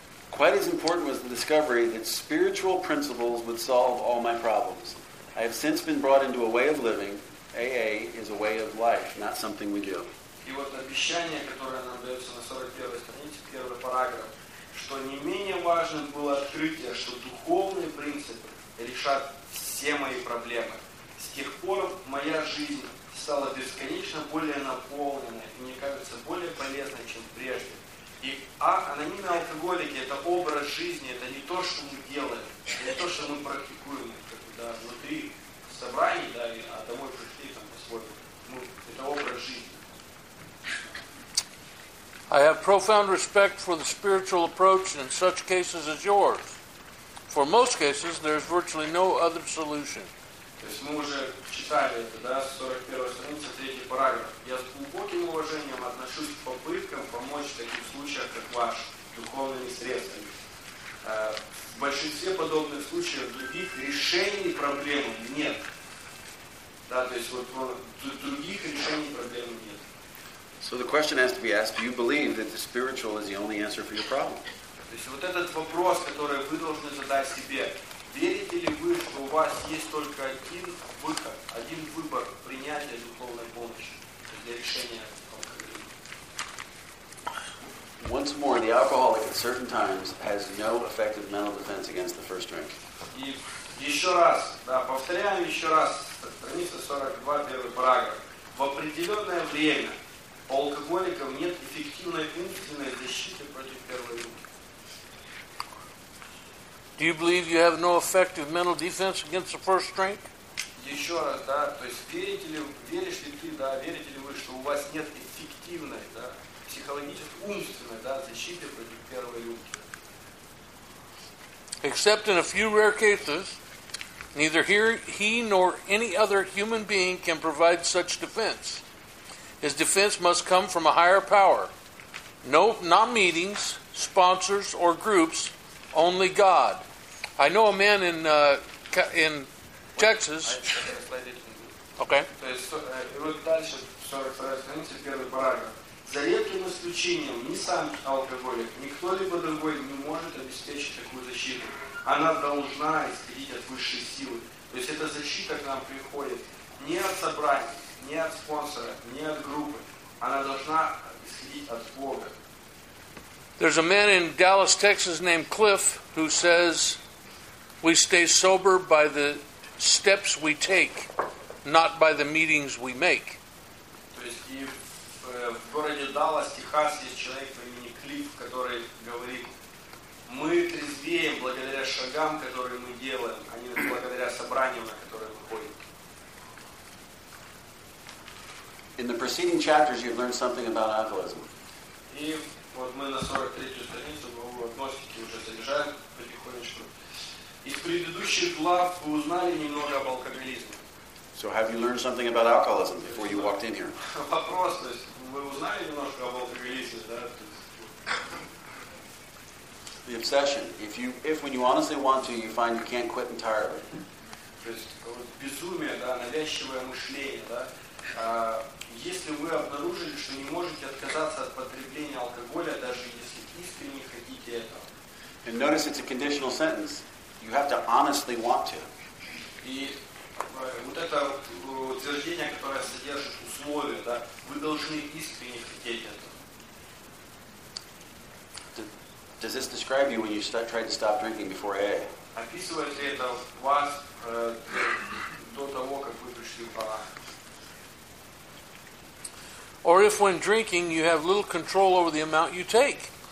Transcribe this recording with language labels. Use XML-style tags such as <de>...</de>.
<en>Quite as important was the discovery that spiritual principles would solve all my problems. I have since been brought into a way of living. AA is a way of life, not something we do.</en> <ru>И вот обещание, которое нам дается на 41-й странице, первый параграф, что не менее важным было открытие, что духовные принципы решат все мои проблемы. С тех пор моя жизнь стала бесконечно более наполненной и, мне кажется, более полезной, чем прежде. И анонимные алкоголики – это образ жизни, это не то, что мы делаем, это то, что мы практикуем. Когда внутри собрание, да, а домой пришли, там, по-своему. Это образ жизни.</ru> <en>I have profound respect for the spiritual approach in such cases as yours. For most cases, there is virtually no other solution.</en> <ru>То есть мы уже читали это, да, 41 страница, третий параграф. Я с глубоким уважением отношусь к попыткам помочь в таких случаях, как ваш, духовными средствами. В большинстве подобных случаев других решений проблемы нет. Да, то есть вот других решений проблемы нет.</ru> <en>So the question has to be asked, do you believe that the spiritual is the only answer for your problem?</en> <ru>То есть вот этот вопрос, который вы должны задать себе, верите ли вы, что у вас есть только один выход, один выбор принятия духовной помощи для решения алкоголизма?</ru> <en>Once more, the alcoholic at certain times has no effective mental defense against the first drink.</en> <ru>И еще раз, да, повторяем еще раз, страница 42, первый параграф. В определенное время у алкоголиков нет эффективной умственной защиты против первой рюмки.</ru> <en>Do you believe you have no effective mental defense against the first drink?</en> <ru>Еще раз, да, то есть верите ли вы, что у вас нет эффективной, да, психологической, умственной, да, защиты против первой рюмки?</ru> <en>except in a few rare cases, neither he nor any other human being can provide such defense. His defense must come from a higher power. No, not meetings, sponsors, or groups, only God. I know a man in Texas. Okay.</en> <ru>То есть, вот дальше 42 страница, первый параграф. За редким исключением, ни сам алкоголик, ни кто-либо другой не может обеспечить такую защиту. Она должна исходить от высшей силы. То есть, эта защита к нам приходит не от собрания, не от спонсора, не от группы. Она должна исходить от Бога.</ru> <en>There's a man in Dallas, Texas named Cliff who says, we stay sober by the steps we take, not by the meetings we make.</en> <ru>То есть и в городе Даллас, Техас, есть человек по имени Клифф, который говорит, мы трезвеем благодаря шагам, которые мы делаем, а не благодаря собраниям, на которые мы ходим.</ru> <en>In the preceding chapters, you've learned something about alcoholism.</en> <ru>И вот мы на 43-ю страницу главу «Агностики» уже забежаем потихонечку. Из предыдущих глав вы узнали немного об алкоголизме.</ru> <en>So have you learned something about alcoholism before you walked in here?</en> <ru>Вопрос, то есть вы узнали немножко об алкоголизме, да?</ru> <en>The obsession. If when you honestly want to, you find you can't quit entirely.</en> <ru>То есть вот безумие, да, навязчивое мышление, да? Если вы обнаружили, что не можете отказаться от потребления алкоголя, даже если искренне хотите этого.</ru> <en>And notice it's a conditional sentence. You have to honestly want to.</en> <ru>И вот это утверждение, которое содержит условие, да, вы должны искренне хотеть этого.</ru> <en>Does this describe you when you try to stop drinking before AA?</en> <ru>Описывает ли это вас до того, как вы пришли в AA?</ru> <en>Or if when drinking you have little control over the amount you take.</en>